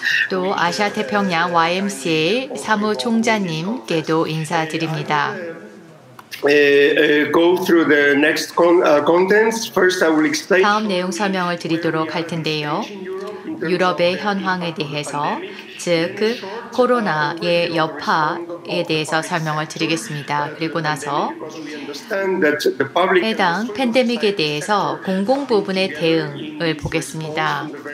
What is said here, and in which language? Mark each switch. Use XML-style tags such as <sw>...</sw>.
<ko>또 아시아 태평양 YMCA 사무총장님께도 인사드립니다.</ko> <en>Go through the next contents. First, I will explain.</en> <ko>다음 내용 설명을 드리도록 할 텐데요. 유럽의 현황에 대해서, 즉 코로나의 여파에 대해서 설명을 드리겠습니다. 그리고 나서 해당 팬데믹에 대해서 공공 부분의 대응을 보겠습니다.</ko>